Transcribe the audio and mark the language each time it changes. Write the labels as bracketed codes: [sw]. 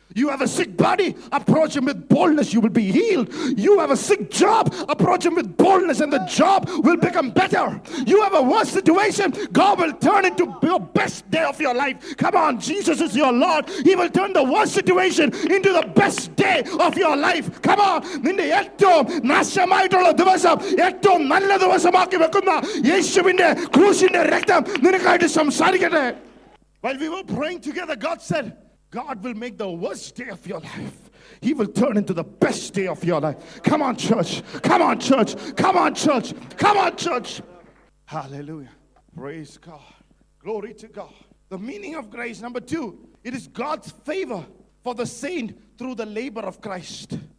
[en] You have a sick body, approach him with boldness. You will be healed. You have a sick job, approach him with boldness and the job will become better. You have a worse situation, God will turn into your best day of your life. Come on, Jesus is your Lord. He will turn the worst situation into the best day of your life. Come on. [ml] നിന്റെ ഏറ്റവും നാശമായിട്ടുള്ള ദിവസം ഏറ്റവും നല്ല ദിവസമാക്കി വെക്കുന്ന യേശുവിന്റെ ക്രൂശിന്റെ രക്തം നിനക്കായിട്ട് സംസാരിക്കട്ടെ. [en] While we were praying together, God said, God will make the worst day of your life. He will turn into the best day of your life. Come on, church. Come on, church. Come on, church. Come on, church. Hallelujah. Praise God. Glory to God. The meaning of grace, number two, it is God's favor for the saint through the labor of Christ.